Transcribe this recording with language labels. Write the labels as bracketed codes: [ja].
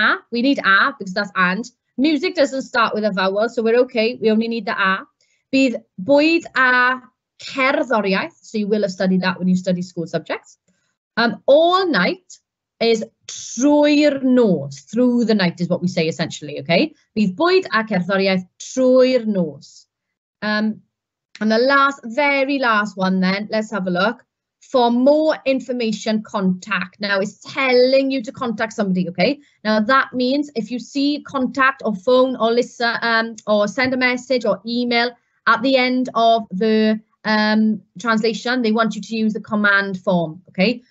[en] We need a because that's and. Music doesn't start with a vowel, so we're okay. We only need the a. [cy] Bydd bwyd a cerddoriaeth. [en] So you will have studied that when you study school subjects. All night is [cy] trwy'r nos. [en] Through the night is what we say essentially, okay? [cy] Bydd bwyd a cerddoriaeth trwy'r nos. [en] And the last, very last one then, let's have a look. For more information, contact. Now, it's telling you to contact somebody, okay? Now, that means if you see contact or phone or listen or send a message or email at the end of the translation, they want you to use the command form, okay?